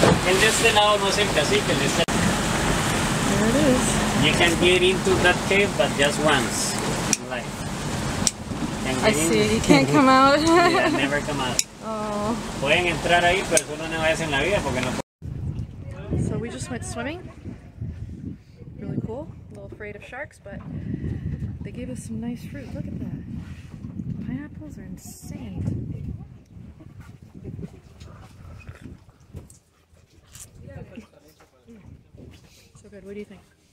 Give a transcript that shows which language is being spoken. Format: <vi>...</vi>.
<es>El de este lado no es el cacique, el de este lado.</es> <en>There it is. You can get into that cave, but just once in life. I see, you can't come out. Yeah, never come out. Oh.</en> <es>Pueden entrar ahí, pero solo una vez en la vida, porque no.</es> <en>So we just went swimming. Really cool. A little afraid of sharks, but they gave us some nice fruit. Look at that. Pineapples are insane. Good. What do you think?</en>